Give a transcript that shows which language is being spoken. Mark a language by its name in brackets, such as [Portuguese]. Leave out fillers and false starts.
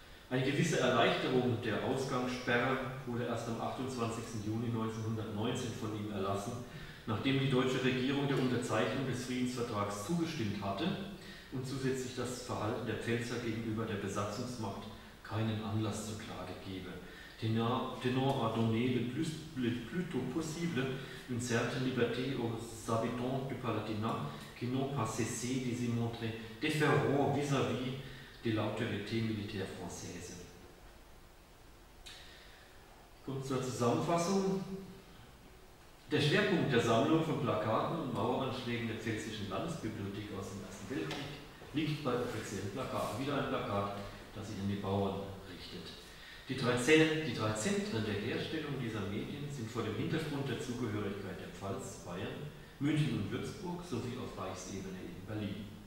[German] Eine gewisse Erleichterung der Ausgangssperre wurde erst am 28. Juni 1919 von ihm erlassen, nachdem die deutsche Regierung der Unterzeichnung des Friedensvertrags zugestimmt hatte und zusätzlich das Verhalten der Pfälzer gegenüber der Besatzungsmacht keinen Anlass zur Klage gebe. [French] Tenor a donné le plutôt possible une certaine liberté aux habitants du Palatinat qui n'ont pas cessé de s'y montrer déferrant vis-à-vis de l'autorité militaire française. [German] Kommt zur Zusammenfassung. Der Schwerpunkt der Sammlung von Plakaten und Maueranschlägen der Pfälzischen Landesbibliothek aus dem Ersten Weltkrieg liegt bei offiziellen Plakaten. Wieder ein Plakat, das sich an die Bauern richtet. Die drei Zentren der Herstellung dieser Medien sind vor dem Hintergrund der Zugehörigkeit der Pfalz, Bayern, München und Würzburg sowie auf Reichsebene in Berlin.